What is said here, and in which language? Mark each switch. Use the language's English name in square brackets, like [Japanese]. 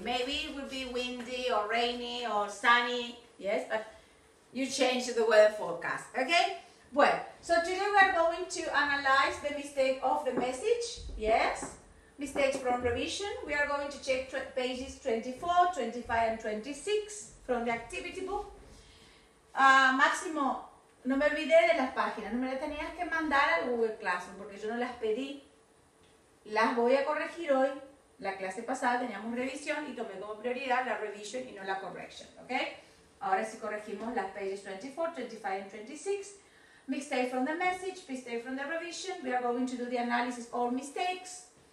[English] Maybe it will be windy or rainy or sunny, yes, but you change the weather forecast, okay? Well, so today we are going to analyze the mistake of the message, yes? Mistakes from revision. We are going to check pages 24, 25, and 26 from the activity book. [Spanish] Máximo, no me olvidé de las páginas, no me las tenías que mandar al Google Classroom porque yo no las pedí. Las voy a corregir hoy. La clase pasada teníamos revisión y tomé como prioridad la revision y no la correction, ¿ok? Ahora sí corregimos las [English] pages 24, 25 and 26. Mistake from the message, mistake from the revision. We are going to do the analysis of all mistakes.